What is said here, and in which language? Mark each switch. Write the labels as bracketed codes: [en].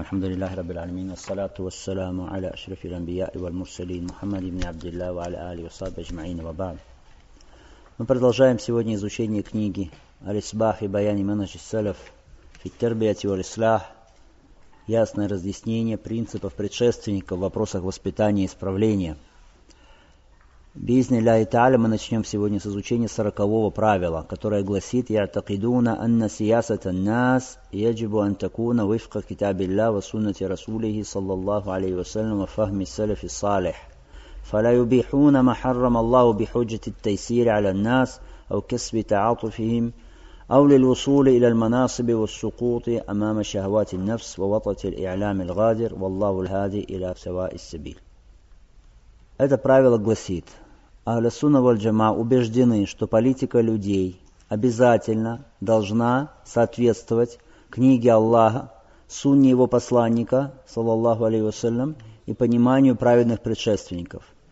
[ar] الحمد لله رب العالمين، والصلاة والسلام على أشرف الأنبياء والمرسلين محمد بن عبد الله وعلى آله وصحبه أجمعين، وبعد. [ru] Мы продолжаем сегодня изучение книги «Аль-Исбах и Баяни Манхаджи Салаф фи Тарбияти валь-Ислах» – ясное разъяснение принципов предшественников в вопросах воспитания и исправления. [ar] Бизни ля и тааля, [ru] мы начнем сегодня с изучения 40-го правила, которое гласит [ar] «Я'такидуна анна сиясата нас яджибу антакуна вифка китабилля ва суннати расулихи саллаллаху алейху саляму фахми саляфи салих». فلا يبيحون ما حرم الله بحجة التيسير على الناس أو كسب تعاطفهم أو للوصول إلى المناصب والسقوط أمام شهوات النفس ووطأة الإعلام الغادر والله الهادي إلى سواء السبيل. [ru] Это правило гласит: Ахля Сунна валь Джамаа убеждены, что политика людей обязательно должна соответствовать книге Аллаха, Сунне его посланника, саллаллаху алейхи ва саллям, и пониманию праведных предшественников.